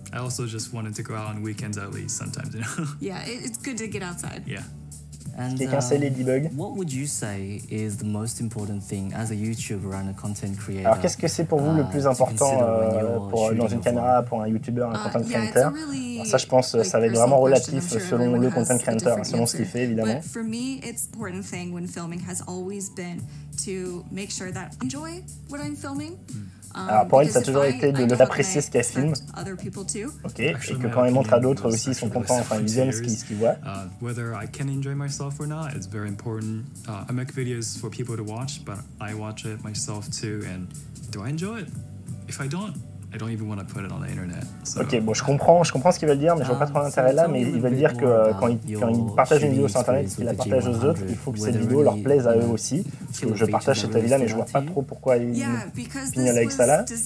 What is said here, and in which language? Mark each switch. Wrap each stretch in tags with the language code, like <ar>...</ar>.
<en>I also just wanted to go out on weekends at least sometimes, you know. Yeah, it's good to get outside. Yeah. What would you say is the most important thing as a YouTuber and a content creator?</en> <fr>Alors qu'est-ce que c'est pour vous le plus important pour dans une caméra pour un YouTuber un content creator?</fr> <en>Really,</en> <fr>ça je pense ça va être vraiment relatif selon le content creator, selon ce qu'il fait évidemment.</fr> <en>But for me it's important thing when filming has always been to make sure that I enjoy what I'm filming.</en> <fr>Alors pour elle, ça a toujours été d'apprécier ce qu'elle filme. Ok, et que quand elle montre à d'autres aussi, ils sont contents, enfin ils aiment ce qu'ils voient.</fr> <en>Whether I can enjoy myself or not, it's very important. I make videos for people to watch, but I watch it myself too. And do I enjoy it? If I don't, I don't even want to put it on the internet.</en> <fr>Ok, bon, je comprends ce qu'ils veulent dire, mais je vois pas trop l'intérêt là. Mais ils veulent dire que quand ils partagent une vidéo sur internet, qu'ils la partagent aux autres, il faut que cette vidéo leur plaise à eux aussi. Parce que je partage cette avis-là, mais je vois pas trop pourquoi ils pignolent avec ça là.</fr>